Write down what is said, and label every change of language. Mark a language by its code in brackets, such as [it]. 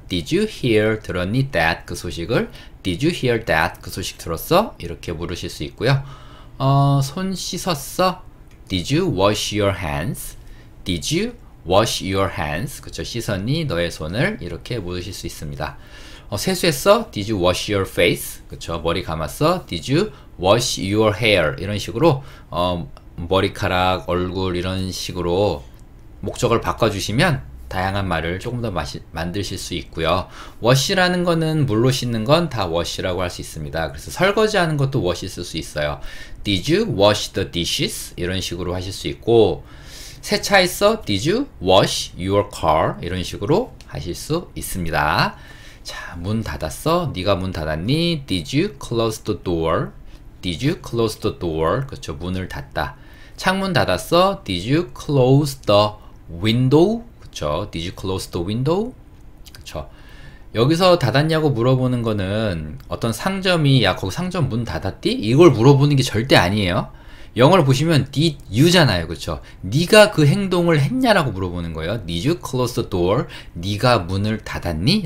[en] Did you hear [ko] 들었니 [en] that? [ko] 그 소식을 [en] Did you hear that? [ko] 그 소식 들었어? 이렇게 물으실 수 있고요. 손 씻었어? [en] Did you wash your hands? Did you wash your hands? [ko] 그렇죠. 씻었니 너의 손을? 이렇게 물으실 수 있습니다. 세수했어? [en] Did you wash your face? [ko] 그렇죠. 머리 감았어? [en] Did you wash your hair? [ko] 이런 식으로 머리카락, 얼굴 이런 식으로 목적을 바꿔주시면 다양한 말을 조금 더 만드실 수 있고요. wash라는 거는 물로 씻는 건 다 wash라고 할 수 있습니다. 그래서 설거지하는 것도 wash 쓸 수 있어요. [en] Did you wash the dishes? [ko] 이런 식으로 하실 수 있고 세차했어? [en] Did you wash your car? [ko] 이런 식으로 하실 수 있습니다. 자, 문 닫았어? 네가 문 닫았니? [en] Did you close the door? Did you close the door? [ko] 그렇죠. 문을 닫다. 창문 닫았어? [en] Did you close the window? [ko] 그렇죠. [en] Did you close the window? [ko] 그렇죠. 여기서 닫았냐고 물어보는 거는 어떤 상점이 야, 거기 상점 문 닫았디? 이걸 물어보는 게 절대 아니에요. 영어를 보시면 did you잖아요. 그렇죠. 네가 그 행동을 했냐라고 물어보는 거예요. [en] Did you close the door? [ko] 네가 문을 닫았니?